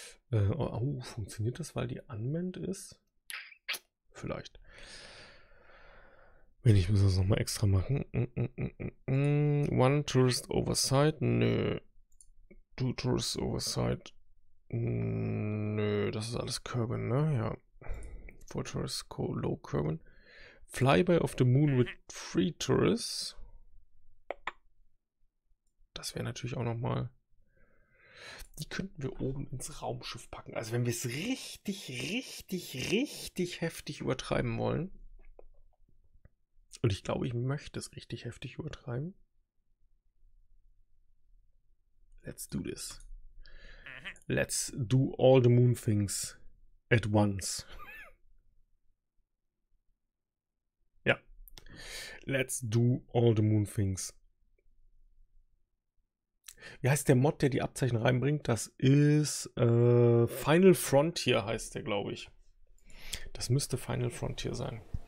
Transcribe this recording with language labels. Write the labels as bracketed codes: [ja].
[de] Oh, funktioniert das, weil die unmanned ist? Vielleicht. Wenn ich muss das nochmal extra machen. One Tourist Oversight? Nö. Two Tourist Oversight? Nö, das ist alles Kerbin, ne? [en] Ja. Four Tourists go low Kerbin. Flyby of the Moon with three Tourists. [de] Das wäre natürlich auch nochmal. Die könnten wir oben ins Raumschiff packen. Also wenn wir es richtig, richtig, richtig heftig übertreiben wollen. Und ich glaube, ich möchte es richtig heftig übertreiben. [en] Let's do this. Let's do all the moon things at once. Let's do all the moon things. [de] Wie heißt der Mod, der die Abzeichen reinbringt? Das ist Final Frontier, heißt der, glaube ich. Das müsste Final Frontier sein.